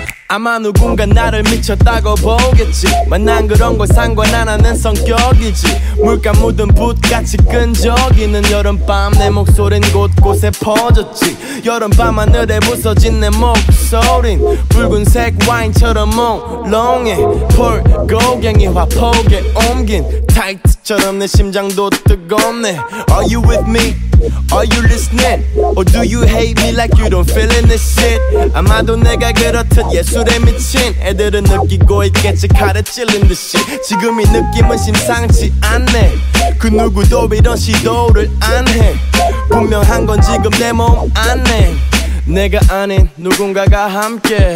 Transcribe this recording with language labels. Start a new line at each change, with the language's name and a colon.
Korean: 아마 누군가 나를 미쳤다고 보겠지 만난 그런 걸 상관하는 성격이지 물감 묻은 붓같이 끈적이는 여름밤 내 목소린 곳곳에 퍼졌지 여름밤 하늘에 부서진 내 목소린 붉은색 와인처럼 몽롱해 폴 고갱이 화폭에 옮긴 타이트처럼 내 심장도 뜨겁네
English: Are you with me? Are you listening? Or do you hate me like you don't feel in this shit?
Korean: 아마도 내가 그렇듯 예술에 미친 애들은 느끼고 있겠지 칼에 찔린 듯이 지금 이 느낌은 심상치 않네 그 누구도 이런 시도를 안 해 분명한 건 지금 내 몸 안에 내가 아닌 누군가가 함께